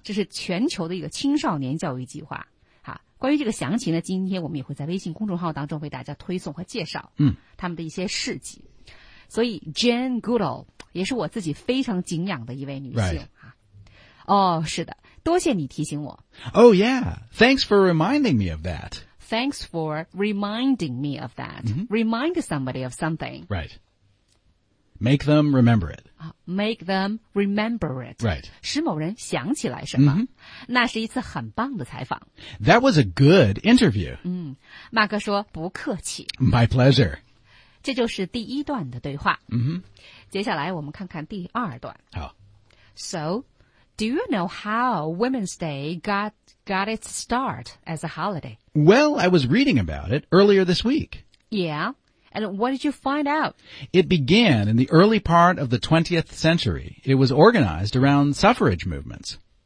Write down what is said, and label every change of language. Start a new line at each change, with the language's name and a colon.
Chinese: 这是全球的一个青少年教育计划好关于这个详情呢今天我们也会在微信公众号当中为大家推送和介绍他们的一些事迹、 mm. 所以 Jane Goodall 也是我自己非常敬仰的一位女性、
English: right.
Chinese: 哦、oh, 是的多谢你提醒我。
English: Oh yeah, thanks for reminding me of that. Thanks for reminding me of that.、 Mm-hmm. Remind somebody of something. Right. Make them remember it. Make them remember it. Right.
Chinese: 使某人想起来什么、 mm-hmm. 那是一次很棒的采访。
English: That was a good interview.
Chinese: 嗯马克说不客气。
English: My pleasure.
Chinese: 这就是第一段的对话。嗯、mm-hmm. 接下来我们看看第二段。好。
English: So,Do you know how Women's Day got its start as a holiday? Well, I was reading about it earlier this week. Yeah? And what did you find out? It began in the early part of the 20th century. It was organized around suffrage movements.